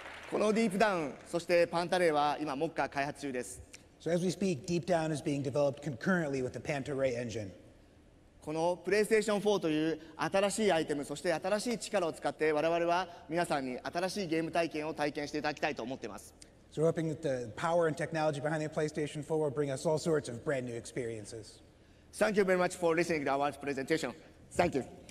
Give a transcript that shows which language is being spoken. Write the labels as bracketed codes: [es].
[ja] このディープダウン、そしてパンタレイは今目下開発中です。 [en] So as we speak, Deep Down is being developed concurrently with the Panta Ray engine. [ja] この PlayStation 4という新しいアイテム、そして新しい力を使って我々は皆さんに新しいゲーム体験を体験していただきたいと思っています。 [en] So we're hoping that the power and technology behind the PlayStation 4 will bring us all sorts of brand new experiences. Thank you very much for listening to our presentation. Thank you.